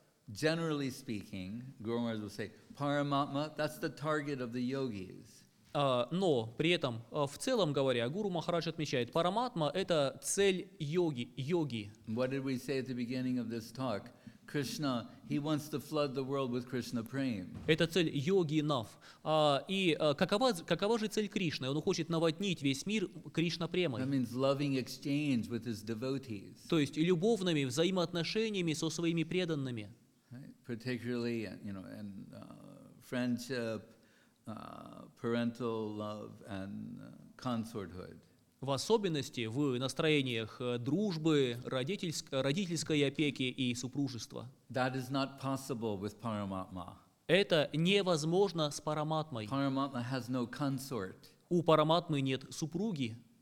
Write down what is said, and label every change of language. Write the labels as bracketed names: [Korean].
[English] Generally speaking, Guru Maharaj will say, Paramatma, that's the target of the yogis. [Russian] Но при этом, в целом говоря, Гуру Махарадж отмечает, Параматма – это цель йоги. [English] What did we say at the beginning of this talk? Krishna, he wants to flood the world with Krishna Prem. [Russian] Это цель йогинов. И какова же цель Кришны? Он хочет наводнить весь мир Кришна Премой. [English] That means loving exchange with his devotees. [Russian] То есть любовными взаимоотношениями со своими преданными. [English] Particularly, you know, and friendship, parental love, and consorthood. [Russian] В особенности в настроениях дружбы, родительской опеки и супружества. [English] That is not possible with Paramatma. [Russian] Это невозможно с Параматмой. [English] Paramatma has no consort. [Russian] У Параматмы нет супруги.